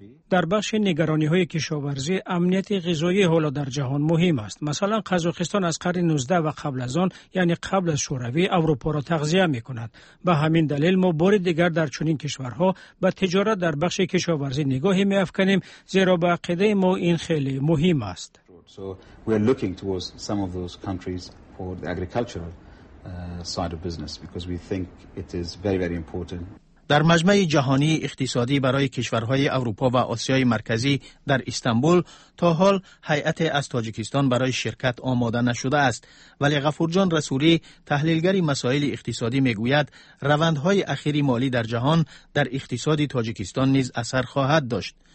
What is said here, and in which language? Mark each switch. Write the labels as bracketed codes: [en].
[fa] در بخش نگرانی های کشاورزی امنیت غذایی حالا در جهان مهم است. مثلا قزاقستان از قرن 19 و قبل از آن، یعنی قبل از شوروی، اروپا را تغذیه می کند. به همین دلیل ما بار دیگر در چنین کشورها به تجارت در بخش کشاورزی نگاهی می افکنیم، زیرا به عقیده ما این خیلی مهم است. [en] So we are looking towards some of those countries for the agricultural side of business because we think it is very, very important. [fa] در مجمع جهانی اقتصادی برای کشورهای اروپا و آسیای مرکزی در استانبول تا حال هیئت از تاجیکستان برای شرکت آماده نشده است، ولی غفورجان رسولی تحلیلگر مسائل اقتصادی میگوید روندهای اخیر مالی در جهان در اقتصاد تاجیکستان نیز اثر خواهد داشت.